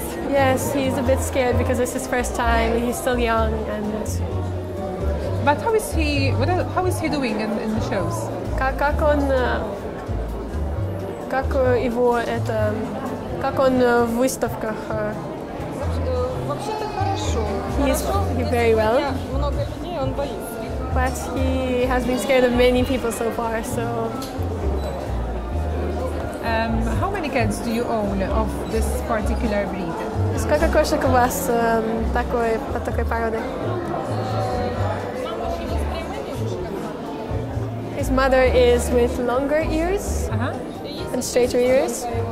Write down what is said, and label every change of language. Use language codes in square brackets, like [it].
[en] Yes, he is a bit scared because it's his first time and he's still young and... But how is he doing in the shows? [ru] Как он как его это, как он в выставках? Вообще-то хорошо. [en] He's very well. [ru] Много людей, он боится. [en] But he has been scared of many people so far, so. How many cats do you own of this particular breed? [ru] Сколько кошек у вас такой по такой породе? [en] His mother is with longer ears and straighter ears.